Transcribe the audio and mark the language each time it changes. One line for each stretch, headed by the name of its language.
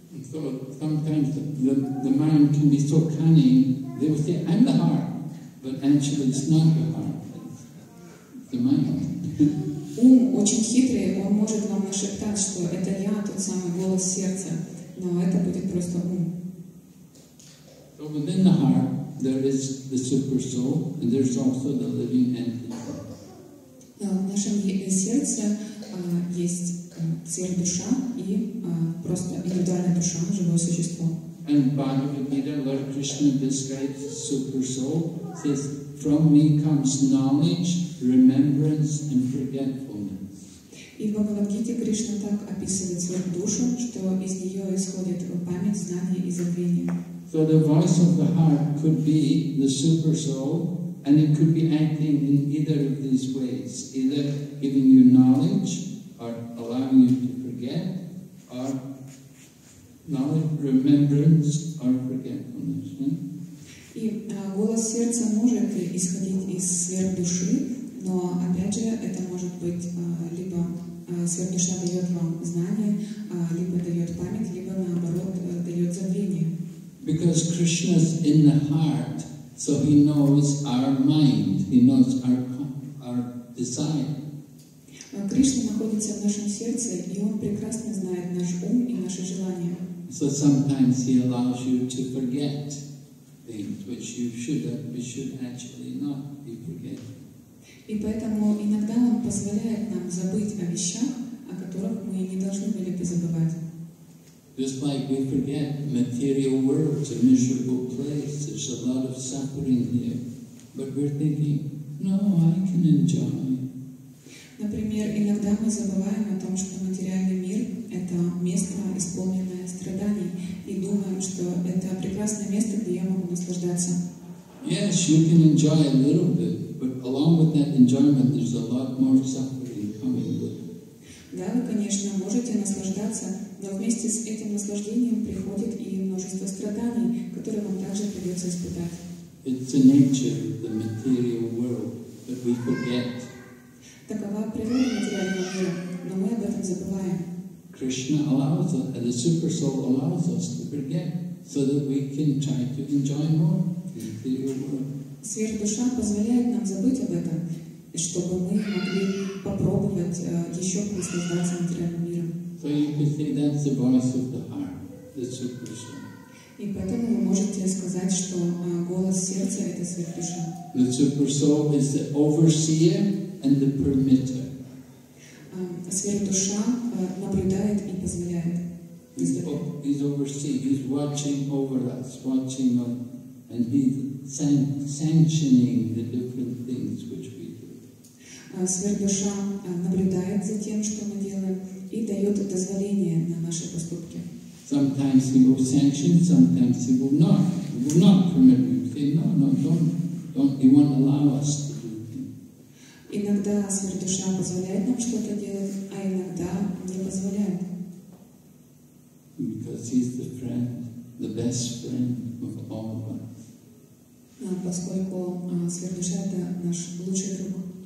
English: So sometimes the mind can be so cunning, they will say, I'm the heart. But actually it's not the heart, it's the mind.
Russian: Ум очень хитрый, он может вам нашептать, что это я, тот самый голос сердца, но это будет просто ум.
English: So within the heart, there is the super soul, and there's also the living entity.
Russian: В нашем сердце есть цель душа и просто индивидуальная душа, живое существо.
English: And Bhagavad Gita, Lord Krishna describes super soul, says, from me comes knowledge, remembrance and forgetfulness.
Russian: И в Бхагавад Гите Кришна так описывает свою душу, что из нее исходят память, знание и забвение.
English: So the voice of the heart could be the super soul, and it could be acting in either of these ways, either giving you knowledge or allowing you to forget, or knowledge, remembrance or forgetfulness.
Russian: И голос сердца может исходить из сверхдуши, но опять же это может быть либо сверхдуша дает вам знание, либо дает память, либо наоборот дает забвение.
English: Because Krishna is in the heart, so he knows our mind, he knows our desire.
Russian: Кришна находится в нашем сердце, и он прекрасно знает наш ум и наши желания.
English: So sometimes he allows you to forget things which you should actually not be forgetting.
Russian: И поэтому иногда он позволяет нам забыть о вещах, о которых мы не должны были бы забывать.
English: Just like we forget material world, a miserable place, there's a lot of suffering here. But we're thinking, no, I can enjoy.
Russian: Например, иногда мы забываем о том, что материальный мир — это место, исполненное страданий, и думаем, что это наслаждаться.
English: Yes, you can enjoy a little bit, but along with that enjoyment, there's a lot more suffering coming with it.
Russian: Да, вы, конечно, можете наслаждаться, но вместе с этим наслаждением приходит и множество страданий, которые вам также придется испытать.
English: It's the nature of the material world that we forget.
Russian: Такова природа материального мира, но мы об этом забываем.
English: Krishna allows us, and the super soul allows us to forget, so that we can try to enjoy more the material world.
Russian: Сверхдуша позволяет нам забыть об этом, чтобы мы могли попробовать еще наслаждаться материальным миром.
English: So you can say that's the voice of the heart, the super soul.
Russian: И поэтому вы можете сказать, что голос сердца — это сверхдуша.
English: The super soul is the overseer and the permitter.
Russian: Сверхдуша наблюдает и позволяет.
English: He's overseeing, he's watching over us, watching us, and he's sanctioning the different things which we do.
Russian: Сверхдуша наблюдает за тем, что мы делаем, и дает дозволение на наши поступки.
English: Sometimes he will sanction, sometimes he will not. He will not permit you. Say, no, don't. He won't allow us to.
Russian: Иногда сверхдуша позволяет нам что-то делать, а иногда не позволяет.
English: Because he's the friend, the best friend of all of us.
Russian: Поскольку сверхдуша — это наш лучший друг.